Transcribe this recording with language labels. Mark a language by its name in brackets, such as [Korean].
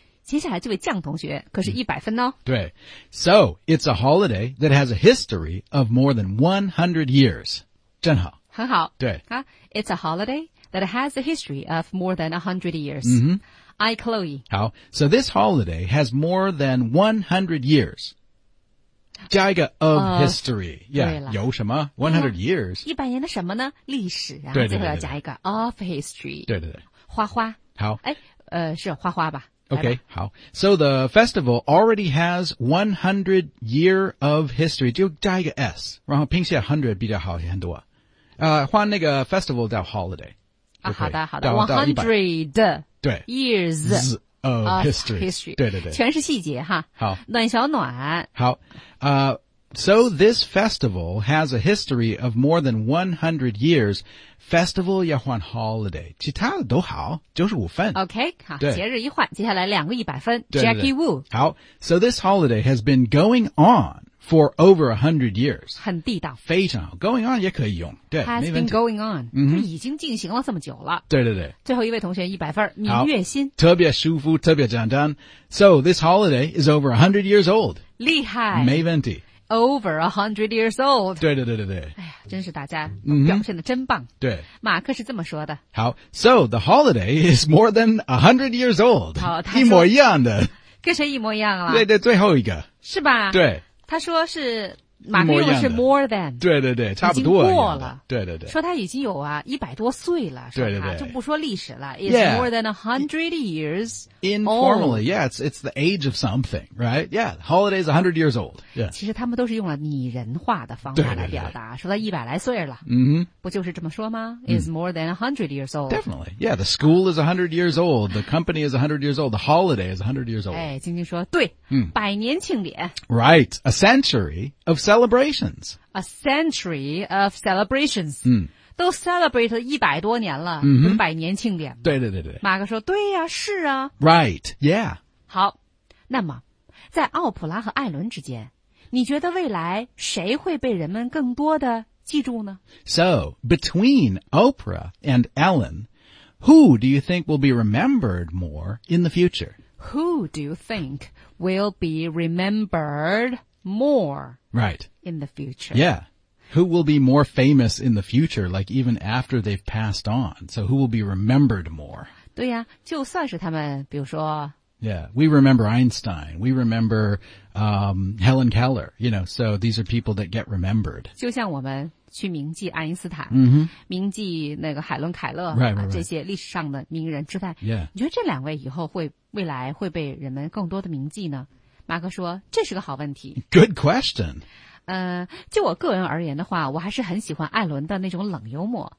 [Chinese] 接下来这位酱同学可是100分哦。对。 [English] So, it's a holiday that has a history of more than 100 years. [Chinese] 正好。很好。对。 [English] 啊、it's a holiday that has a history of more than 100 years.、 Mm-hmm. I, Chloe. 好。So, this holiday has more than 100 years. [Chinese] 加一个 [English] of history. Yeah, [Chinese] 有什么 [English] ?100 years.、 [Chinese] 啊、100年的什么呢历史啊。对对对对对最后要加一个 [English] of history. [Chinese] 对对对。花花。好。哎是花花吧。 [English] Okay, 好。 So the festival already has 100 year of history. [Chinese] 就加一个 S, 然后拼写100比较好很多。换那个 festival 叫 holiday. 啊好的好的。 [English] 100 years of history. history. [Chinese] 对对对。全是细节哈。好。暖小暖。好。 [English] So this festival has a history of more than 100 years. [Chinese] Festival 要换 holiday. 其他的都好 ,95 分。 OK, 好节日一换接下来两个100分。Jackie Wu。 [English] 好 ,so this holiday has been going on for over 100 years. [Chinese] 很地道。非常好 ,going on 也可以用。对 [English] ,has been going on.、 Mm-hmm. [Chinese] 已经进行了这么久了。对对对。最后一位同学100分明月心。特别舒服特别简单。 [English] So this holiday is over 100 years old. [Chinese] 厉害。没问题。 [English] Over 100 years old. [Chinese] 对对对对对。哎呀，真是大家表现得真棒。 Mm-hmm. 对。马克是这么说的。 [English] 好 ,so the holiday is more than 100 years old. [Chinese] 好他一模一样的。跟谁一模一样了对对最后一个。是吧对。他说是马克用的是 more than。对对对差不多。已经过了。对对对。说他已经有啊100多岁了对对对。就不说历史了。 [English] Yeah. It's more than 100 years old. Informally, yeah, it's the age of something, right? Yeah, holiday is 100 years old. Yeah. [Chinese] 其实他们都是用了拟人化的方法来表达对对对说他100来岁了。嗯、mm-hmm. 不就是这么说吗 [English] ?It's more than 100 years old. Definitely. Yeah, the school is 100 years old. The company is 100 years old. The holiday is 100 years old. [Chinese] 哎晶晶说对、百年庆典。 [English] Right. A century of celebrations. A century of celebrations. 嗯、 [Chinese] 都 celebrate 了100多年了、mm-hmm. 不是百年庆典对对对对。马克说对呀、啊、是啊。 [English] Right, yeah. [Chinese] 好那么在奥普拉和艾伦之间你觉得未来谁会被人们更多的记住呢 [English] So, between Oprah and Ellen, who do you think will be remembered more in the future? Who do you think will be remembered more Right. in the future? Yeah. Who will be more famous in the future, like even after they've passed on? So who will be remembered more? [Chinese] 对呀、啊、就算是他们比如说 [English] Yeah, we remember Einstein. We remember, Helen Keller. You know, so these are people that get remembered. [Chinese] 就像我们去铭记爱因斯坦、 mm-hmm. 铭记那个海伦凯勒 [English] right, right, right. [Chinese] 这些历史上的名人之外、 [English] yeah. [Chinese] 你觉得这两位以后会未来会被人们更多的铭记呢马克说这是个好问题 [English] Good question. [Chinese] 就我个人而言的话我还是很喜欢艾伦的那种冷幽默